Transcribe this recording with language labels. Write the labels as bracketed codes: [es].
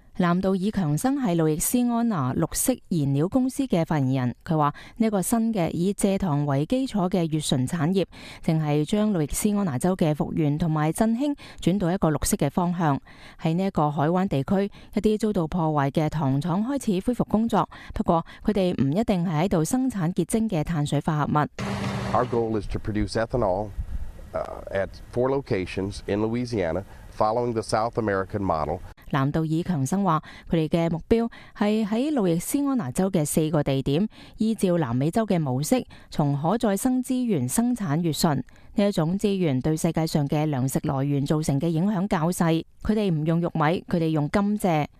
[zh] 南道尔强生是路易斯安那绿色燃料公司的发言人，他说这个新的以蔗糖为基础的乙醇产业，正是将路易斯安那州的复原和振兴转到一个绿色的方向。在这个海湾地区，一些遭到破坏的糖厂开始恢复工作，不过他们不一定是在生产结晶的碳水化合物。 [en] Our goal is to produce ethanol at four locations in Louisiana, following the South American model. [zh] 南道尔强生说，他们的目标是在路易斯安那州的四个地点依照南美洲的模式，从可再生资源生产乙醇。这种资源对世界上的粮食来源造成的影响较细，他们不用玉米，他们用甘蔗。